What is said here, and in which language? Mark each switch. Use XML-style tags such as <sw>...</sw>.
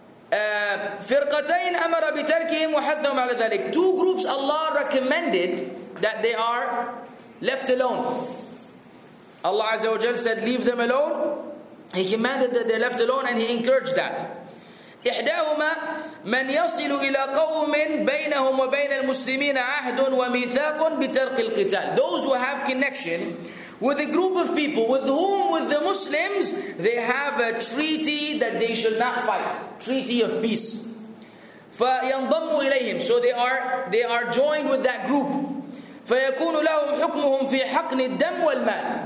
<ar>فرقتين أمر بتركهم وحثهم على ذلك.</ar> <en>Two groups Allah recommended that they are left alone. Allah Azza wa Jal said, leave them alone. He commanded that they're left alone and He encouraged that.</en> <ar>إحداهما من يصل إلى قوم بينهم وبين المسلمين عهد وميثاق بترك القتال.</ar> <en>Those who have connection with a group of people with whom, with the Muslims, they have a treaty that they shall not fight. Treaty of peace.</en> <ar>فَيَنْضَمُّ إِلَيْهِمْ.</ar> <en>So they are joined with that group.</en> <ar>فَيَكُونُ لَهُمْ حُكْمُهُمْ فِي حَقْنِ الدَّمْ وَالْمَالِ.</ar>